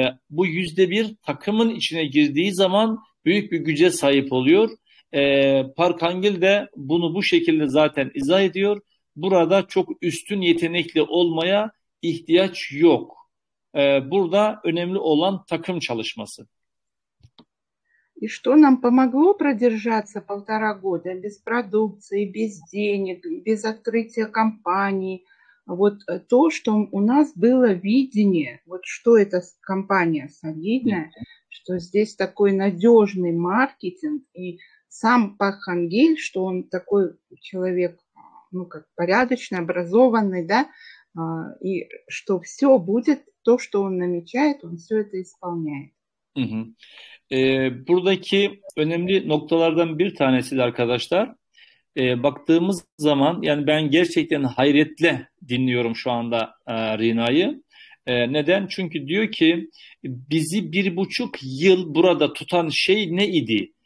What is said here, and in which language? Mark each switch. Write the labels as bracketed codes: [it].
[tr] Bu %1 takımın içine girdiği zaman büyük bir güce sahip oluyor. Park Hangil de bunu bu şekilde zaten izah ediyor. Burada çok üstün yetenekli olmaya ihtiyaç yok. Burada önemli olan takım çalışması. [ru] И что нам помогло продержаться полтора года без продукции, без денег, без открытия компании? Вот то, что у нас было видение, вот что эта компания солидная, что здесь такой надежный маркетинг, и сам Пак Хангиль, что он такой человек, ну как порядочный, образованный, да, и что все будет, то, что он намечает, он все это исполняет. [tr] Buradaki önemli noktalardan bir tanesi de arkadaşlar, baktığımız zaman, yani ben gerçekten hayretle dinliyorum şu anda Rina'yı. Neden? Çünkü diyor ki, bizi 1,5 yıl burada tutan şey neydi?